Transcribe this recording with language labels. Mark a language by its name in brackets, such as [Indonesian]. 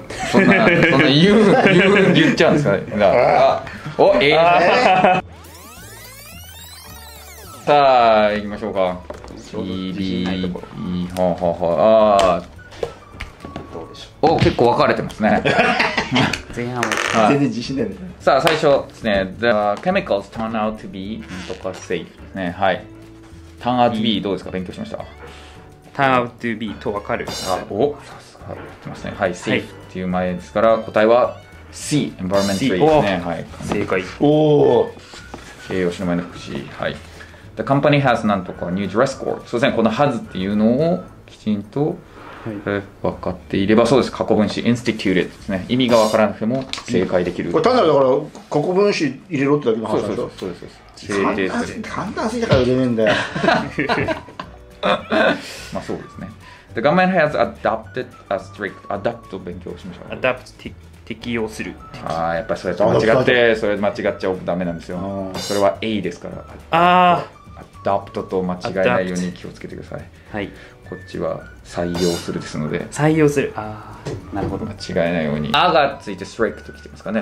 [Japanese] そんな言っちゃうんですか、ね、だからあ、お、A、さあ行きましょうか。 CBE ほうほうほう、あどうでしょう。お、結構分かれてますね。前半は全然自信ないね。さあ最初ですね。 [English] The chemicals turn out to be [Japanese] なんとか [English] safe ね。 [Japanese] はい。 [English] Turn out to be [Japanese] どうですか。勉強しました。 [English] Turn out to be [Japanese] と分かる。あ、お、さすが。いますね。はい、はい、safe っていう前ですから、答えは C、environment safe ですね。はい、正解。おお。形容詞の前の副詞。はい。 [English] The company has [Japanese] なんとか [English] new dress code。 [Japanese] そうですね。この has っていうのをきちんと、はい、分かっていれば、そうです。過去分詞 instituted ですね。意味が分からなくても正解できる。これ単なるだから過去分詞入れろってだけの話でしょ。そうです。簡単すぎだから入れねえんだよ。まあそうですね。 [English] The government has adopted a strict adopt [Japanese] を勉強しましょう。 adopt 適用する。ああ、やっぱりそれと間違って、それ間違っちゃダメなんですよ。それは A ですから。ああ。 adopt と間違えないように気をつけてください。はい。こっちは採用するですので。採用する。ああ、なるほど。間違えないように。あがついて strict ときてますかね。